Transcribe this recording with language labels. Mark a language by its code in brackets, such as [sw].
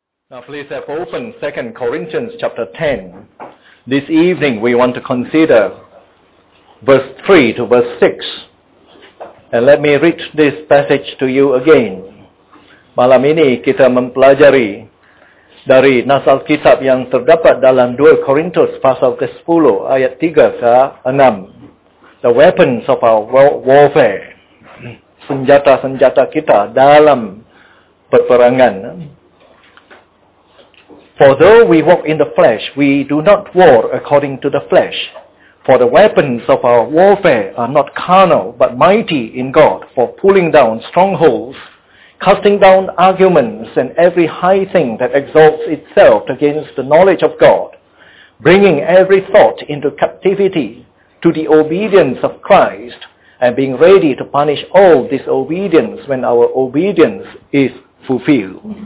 [en] Now please have opened 2 Corinthians chapter 10. This evening we want to consider verse 3 to verse 6. And let me read this passage to you again. [id] Malam ini kita mempelajari dari nas Alkitab yang terdapat dalam 2 Korintus pasal ke-10 ayat 3 ke 6. [en] The weapons of our warfare. Senjata-senjata kita dalam peperangan. For though we walk in the flesh, we do not war according to the flesh. For the weapons of our warfare are not carnal, but mighty in God, for pulling down strongholds, casting down arguments and every high thing that exalts itself against the knowledge of God, bringing every thought into captivity to the obedience of Christ, and being ready to punish all disobedience when our obedience is fulfilled.